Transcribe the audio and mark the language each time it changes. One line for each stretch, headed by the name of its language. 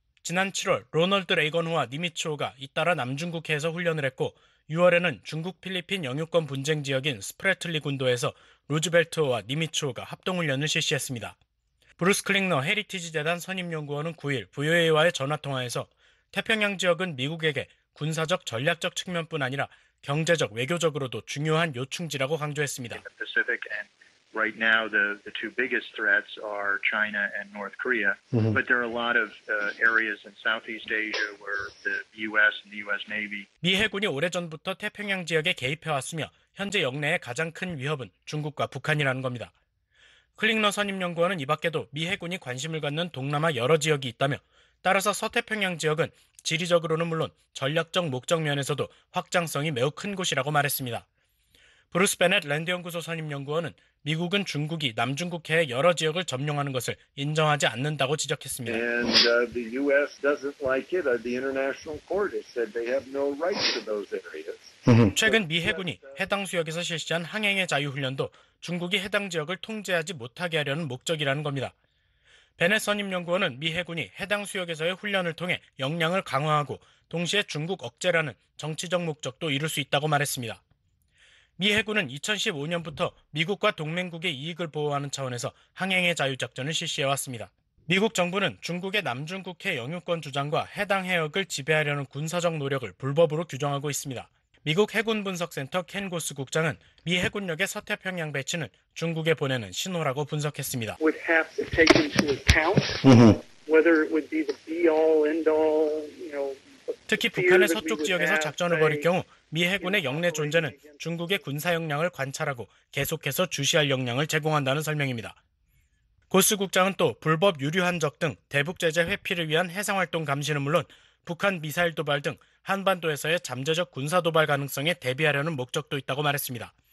Korean: 지난 7월 로널드 레이건호와 니미츠호가 잇따라 남중국해에서 훈련을 했고 6월에는 중국 필리핀 영유권 분쟁 지역인 스프레틀리 군도에서 루즈벨트호와 니미츠호가 합동훈련을 실시했습니다. 브루스 클링너 헤리티지 재단 선임연구원은 9일 VOA와의 전화통화에서 태평양 지역은 미국에게 군사적 전략적 측면뿐 아니라 경제적 외교적으로도 중요한 요충지라고 강조했습니다.
English: Right now, the two biggest threats are China and North Korea. But there are a lot of areas in Southeast Asia where the U.S. and the U.S. Navy.
Korean: 미 해군이 오래전부터 태평양 지역에 개입해 왔으며 현재 영내의 가장 큰 위협은 중국과 북한이라는 겁니다. 클링너 선임연구원은 이 밖에도 미 해군이 관심을 갖는 동남아 여러 지역이 있다며 따라서 서태평양 지역은 지리적으로는 물론 전략적 목적 면에서도 확장성이 매우 큰 곳이라고 말했습니다. 브루스 베넷 랜드연구소 선임연구원은 미국은 중국이 남중국해의 여러 지역을 점령하는 것을 인정하지 않는다고 지적했습니다.
English: And the U.S. doesn't like it. The International Court has said they have no right to those areas.
Korean: 최근 미 해군이 해당 수역에서 실시한 항행의 자유훈련도 중국이 해당 지역을 통제하지 못하게 하려는 목적이라는 겁니다. 베넷 선임연구원은 미 해군이 해당 수역에서의 훈련을 통해 역량을 강화하고 동시에 중국 억제라는 정치적 목적도 이룰 수 있다고 말했습니다. 미 해군은 2015년부터 미국과 동맹국의 이익을 보호하는 차원에서 항행의 자유작전을 실시해왔습니다. 미국 정부는 중국의 남중국해 영유권 주장과 해당 해역을 지배하려는 군사적 노력을 불법으로 규정하고 있습니다. 미국 해군분석센터 켄고스 국장은 미 해군력의 서태평양 배치는 중국에 보내는 신호라고 분석했습니다.
English: would have to take into account whether it would be the be-all, end-all, you know,
Korean: 특히 북한의 서쪽 지역에서 작전을 벌일 경우 미 해군의 영내 존재는 중국의 군사 역량을 관찰하고 계속해서 주시할 역량을 제공한다는 설명입니다. 고스 국장은 또 불법 유류환적 등 대북 제재 회피를 위한 해상활동 감시는 물론 북한 미사일 도발 등 한반도에서의 잠재적 군사 도발 가능성에 대비하려는 목적도 있다고 말했습니다.